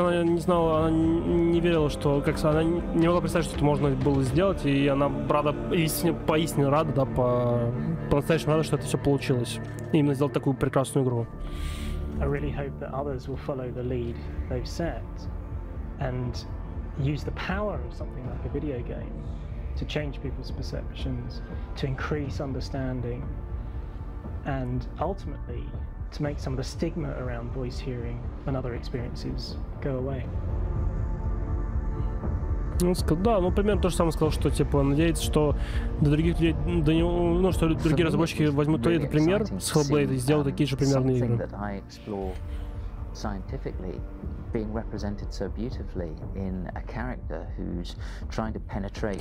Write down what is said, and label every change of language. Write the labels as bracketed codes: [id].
[ru] Она не знала, она не верила, что как она не могла представить, что это можно было сделать, и она рада, поистине рада, да, по-настоящему рада, что это все получилось. Именно сделать такую прекрасную игру. [en] I really hope that others will follow the lead they've set and use the power of something like a video game to change people's perceptions, to increase understanding, and ultimately to make some of the stigma around voice hearing and other experiences go away. [ru] Ну, сказал, да, ну, примерно то же самое сказал, что, типа, надеется, что до других людей, до него, ну, что другие разработчики возьмут этот пример с Hellblade и сделают такие же примерные игры. [en] Something that I explore scientifically, being represented so beautifully in a character who's trying to penetrate.